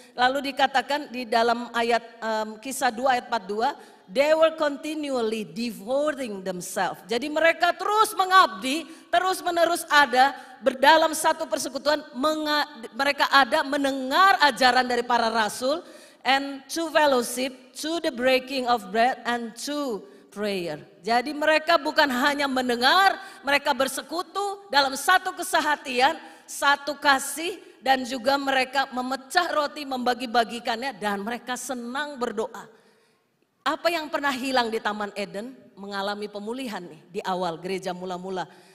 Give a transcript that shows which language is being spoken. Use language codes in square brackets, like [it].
[id] Lalu dikatakan di dalam ayat kisah 2 ayat 42. [en] They were continually devoting themselves. [id] Jadi mereka terus mengabdi, terus menerus ada berdalam satu persekutuan. Mereka ada mendengar ajaran dari para rasul. [en] And to fellowship, to the breaking of bread and to prayer. [id] Jadi mereka bukan hanya mendengar, mereka bersekutu dalam satu kesahatian, satu kasih, dan juga mereka memecah roti, membagi-bagikannya, dan mereka senang berdoa. Apa yang pernah hilang di Taman Eden mengalami pemulihan nih di awal gereja mula-mula.